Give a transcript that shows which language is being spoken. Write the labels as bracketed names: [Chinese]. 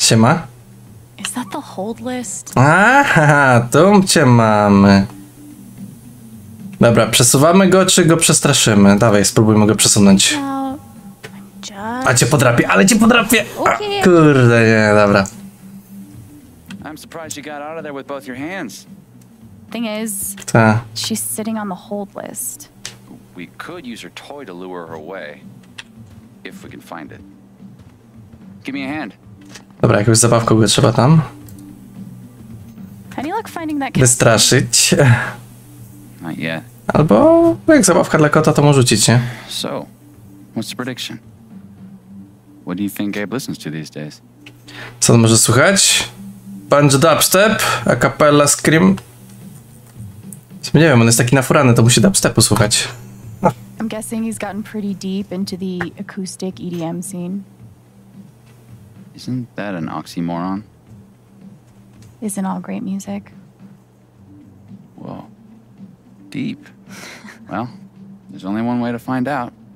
[Polish] Siema. [English] Is that the hold list? [Polish] Aha, tu cię mamy. Dobra, przesuwamy go, czy go przestraszymy? Dawaj, spróbujmy go przesunąć. A cię podrapię, ale cię podrapię! A, kurde, nie, dobra. [English] I'm surprised you got out of there with both your hands. Thing is, she's sitting on the hold list. We could use her toy to lure her away, if we can find it. Give me a hand. [Polish] Dobra, jakąś zabawkę by trzeba tam. [English] How do you like finding that? [Polish] Wystraszyć. [English] Not yet. [Polish] Albo jak zabawka dla kota, to może rzucić, nie? [English] So, what's the prediction? What do you think Gabe listens to these days? [Polish] Co on może słuchać? [English] Bunch dubstep, a cappella scream. [Polish] Nie wiem, on jest taki nafurany, to musi dubstepu słuchać. [English] I'm guessing he's gotten pretty deep into the acoustic EDM scene. Isn't that an oxymoron? Isn't all great music? Well, deep. Well, there's only one way to find out.